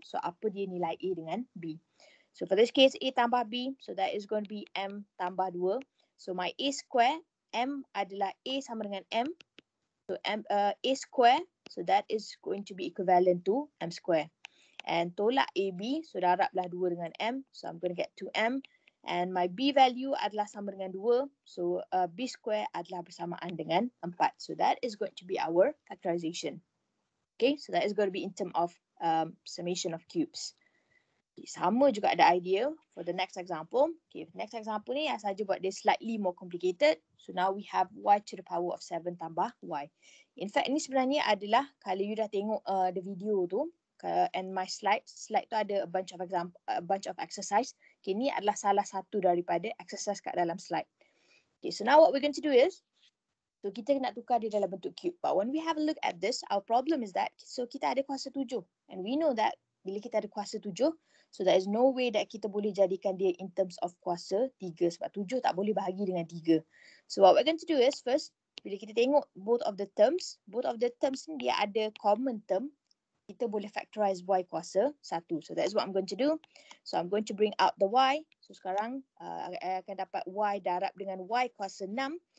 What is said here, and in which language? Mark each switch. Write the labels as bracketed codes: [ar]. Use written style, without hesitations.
[ms] So, apa dia nilai A dengan B. [en] So, for this case, A tambah B. So, that is going to be M tambah 2. [ms] So, my A square, M adalah A sama dengan M. [en] So, A square. So, that is going to be equivalent to M square. And tolak AB. [ms] So, daraplah 2 dengan M. [en] So, I'm going to get 2M. [ms] And my B value adalah sama dengan 2. So, B square adalah bersamaan dengan 4. [en] So, that is going to be our factorization. Okay, so that is going to be in term of summation of cubes. [ms] Okay, sama juga ada idea [en] for the next example. [ms] Okay, next example ni, saya saja buat dia slightly more complicated. [en] So, now we have y to the power of 7 tambah y. In fact, [ms] ini sebenarnya adalah kalau you dah tengok [en] the video tu, and my slide tu ada a bunch of exercise. [ms] Okay, ni adalah salah satu daripada exercise kat dalam slide. Okay, [en] so now what we're going to do is, [ms] so kita nak tukar dia dalam bentuk cube. [en] But when we have a look at this, our problem is that, [ms] so kita ada kuasa 7. [en] And we know that [ms] bila kita ada kuasa 7, [en] so there is no way that [ms] kita boleh jadikan dia [en] in terms of kuasa 3. [ms] Sebab 7 tak boleh bahagi dengan 3. [en] So what we're going to do is, first, [ms] bila kita tengok [en] both of the terms ni dia ada common term. [ms] Kita boleh factorize y kuasa 1. [en] So that is what I'm going to do. So I'm going to bring out the y. [ms] So sekarang I akan dapat y darab dengan y kuasa 6.